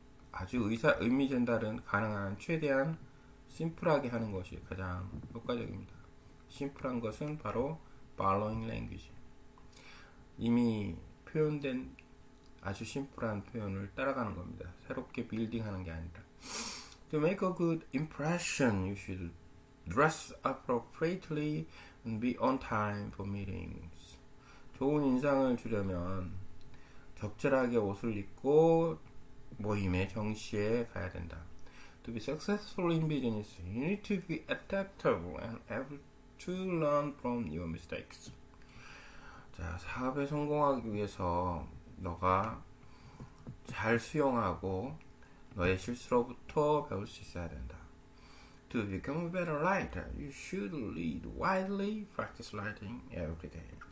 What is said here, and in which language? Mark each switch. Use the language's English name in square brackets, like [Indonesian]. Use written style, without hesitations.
[Korean] 아주 의미 전달은 가능한 최대한 심플하게 하는 것이 가장 효과적입니다. 심플한 것은 바로 [English] following language. [Korean] 이미 표현된 아주 심플한 표현을 따라가는 겁니다. 새롭게 빌딩하는 게 아니라. [English] To make a good impression, you should dress appropriately and be on time for meetings. [Korean] 좋은 인상을 주려면 적절하게 옷을 입고 모임에 정시에 가야 된다. [English] To be successful in business, you need to be adaptable and able to learn from your mistakes. [Korean] 자, 사업에 성공하기 위해서 너가 잘 수용하고 너의 실수로부터 배울 수 있어야 된다. [English] To become a better writer, you should read widely, practice writing every day.